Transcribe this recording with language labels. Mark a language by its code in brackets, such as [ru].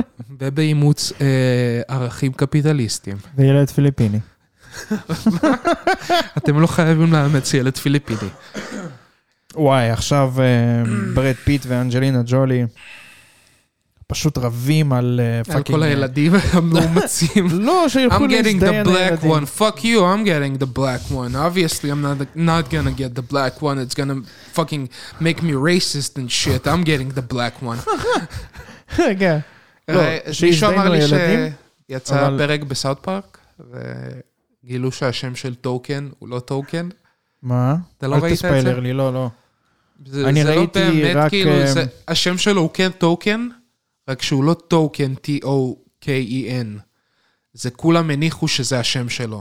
[he] ובאימוץ ערכים קפיטליסטיים. וילד פיליפיני. אתם לא חייבים לאמץ ילד פיליפיני. וואי, עכשיו ברד פיט ואנג'לינה ג'ולי... פשוט רבים על פאקינג... על כל הילדים המאומצים. לא, שילכו להזדהן הילדים. [en] I'm getting the black one. Fuck you, I'm getting the black one. Obviously, I'm not gonna get the black one. It's gonna fucking make me racist and shit. I'm getting the black one. [he] רגע. מישהו אמר לי שיצא פרק בסאוט פארק, וגילו שהשם של טוקן הוא לא טוקן. מה? אתה לא ראית את זה? אל תספיילר לי, לא, לא. זה לא באמת, כאילו, השם שלו הוא כן טוקן? רק שהוא לא טוקן, T-O-K-E-N. זה כולם הניחו שזה השם שלו.